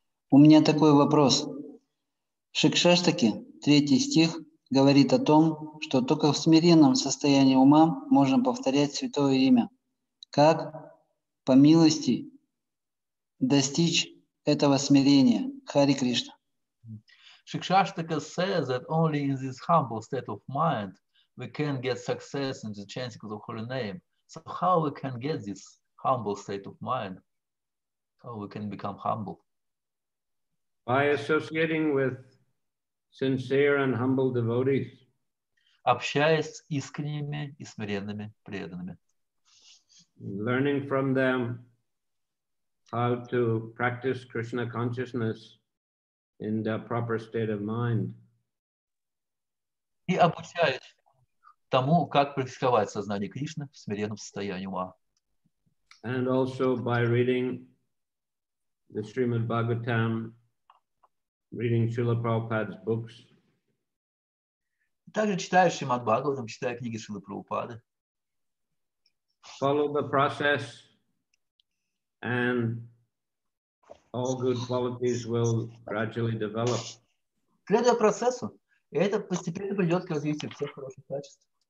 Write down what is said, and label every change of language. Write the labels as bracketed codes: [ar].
[ru] У меня такой вопрос. Шикшаштаки, третий стих, говорит о том, что только в смиренном состоянии ума можно повторять святое имя. Как, по милости, достичь этого смирения? Хари Кришна. [en] Шикшаштака says that only in this humble state of mind we can get success in the chanting of the holy name. So how we can get this humble state of mind? How we can become humble? By associating with sincere and humble devotees. [ru] Общаясь с искренними и смиренными преданными. [en] Learning from them how to practice Krishna consciousness in the proper state of mind. [ru] И обучаюсь тому, как практиковать сознание Кришны в смиренном состоянии ума. [en] And also by reading the Srimad Bhagavatam, reading Srila Prabhupada's books. [ru] Также читаю Шримад Бхагаватам, читаю книги Шрилы Прабхупады. [en] Follow the process and all good qualities will gradually develop. [ru] Следуя процессу, это постепенно придет к развитию всех хороших качеств.